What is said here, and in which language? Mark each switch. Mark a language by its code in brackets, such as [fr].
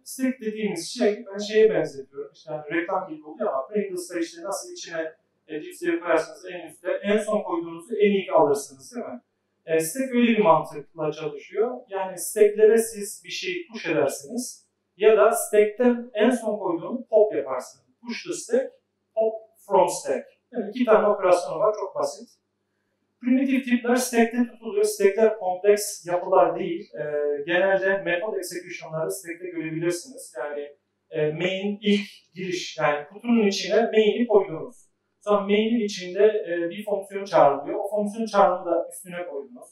[tr] Stack dediğimiz şey, ben şeye benzetiyorum. İşte reklam gibi oluyor ama Pringles'ta işte nasıl içine cipsiye koyarsanız en üstte, en son koyduğunuzu en ilk alırsınız değil mi? Stack öyle bir mantıkla çalışıyor. Yani stacklere siz bir şey push edersiniz. Ya da stackten en son koyduğunu pop yaparsınız. [en] Push the stack, pop from stack. [tr] Yani iki tane operasyon var, çok basit. Primitive tipler stackte tutuluyor. Stackler kompleks yapılar değil. Genelde method execution'ları stackte görebilirsiniz. Yani main ilk giriş, yani kutunun içine main'i koyuyoruz. Sonra main'in içinde bir fonksiyon çağrılıyor. O fonksiyon çağrını da üstüne koydunuz.